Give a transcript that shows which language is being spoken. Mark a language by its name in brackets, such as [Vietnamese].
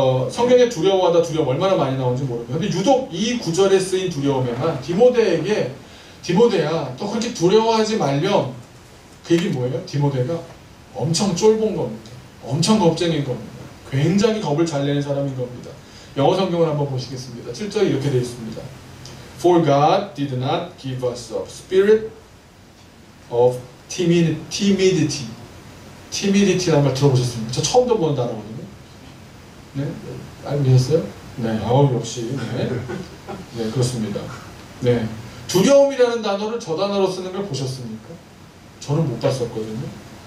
[Korean] 성경에 두려워하다 두려움 얼마나 많이 나오는지 모릅니다. 근데 유독 이 구절에 쓰인 두려움에만 디모데에게 디모데야 너 그렇게 두려워하지 말렴 그 얘기 뭐예요? 디모데가 엄청 쫄본 겁니다. 엄청 겁쟁인 겁니다. 굉장히 겁을 잘 내는 사람인 겁니다. 영어 성경을 한번 보시겠습니다. 7절이 이렇게 되어 있습니다. [English] For God did not give us a spirit of timidity. [Korean] Timidity라는 말 들어보셨습니까? 저 처음 들어보는 단어거든요. 네? 알고 계셨어요? 네, 아우, 역시. 네. 네, 그렇습니다. 네. 두려움이라는 단어를 저 단어로 쓰는 걸 보셨습니까? 저는 못 봤었거든요.